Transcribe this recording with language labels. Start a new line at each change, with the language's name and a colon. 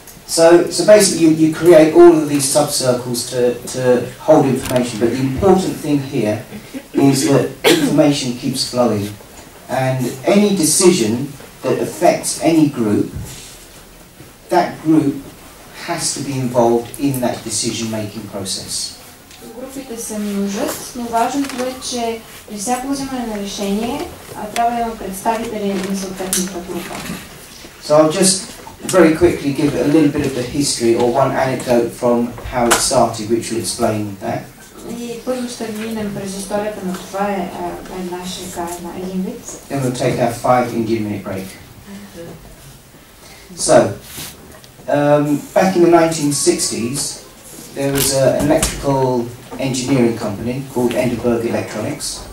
English: So basically you create all of these sub-circles to hold information, but the important thing here is that information keeps flowing. And any decision that affects any group, that group has to be involved in that decision-making process.
Bulgarian: Групите са нужни, но важното е, че при всяко вземане на решение трябва да има представители на съответната група.
English: So I'll just very quickly give a little bit of the history or one anecdote from how it started, which will explain that.
Bulgarian: И първо ще минем през историята на това е нашия един вид.
English: Then we'll take our 5 Indian minute break. So, back in the 1960s, there was an electrical engineering company called Enderberg Electronics.